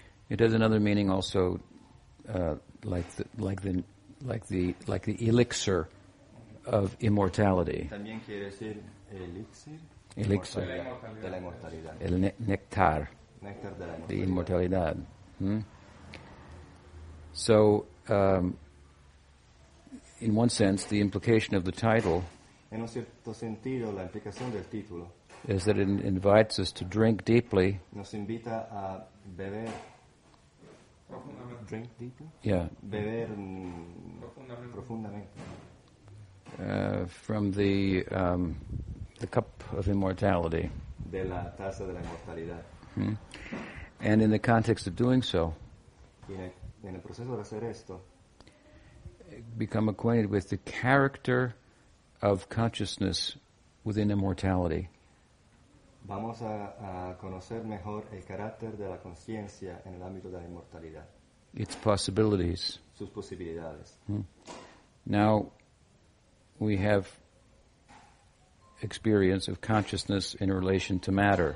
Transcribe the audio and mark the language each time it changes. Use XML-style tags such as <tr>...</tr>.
<en>It has another meaning also, like the elixir of immortality.</en> <es>También quiere decir elixir. Elixir de la inmortalidad. El néctar. Néctar de la inmortalidad. De inmortalidad.</es> <en>So, in one sense, the implication of the title.</en> <es>En un cierto sentido, la implicación del título.</es> <en>Is that it invites us to drink deeply.</en> <es>Nos invita a beber.</es> <en>Drink deeply? Yeah.</en> <es>Beber profundamente.</es> <en>From the cup of immortality.</en> <es>De la taza de la inmortalidad.</es> <en>And in the context of doing so.</en> <es>En el proceso de hacer esto.</es> <en>Become acquainted with the character of consciousness within immortality.</en> <es>Vamos a conocer mejor el carácter de la conciencia en el ámbito de la inmortalidad.</es> <en>Its possibilities.</en> <es>Sus posibilidades.</es> <en>Now, we have experience of consciousness in relation to matter.</en>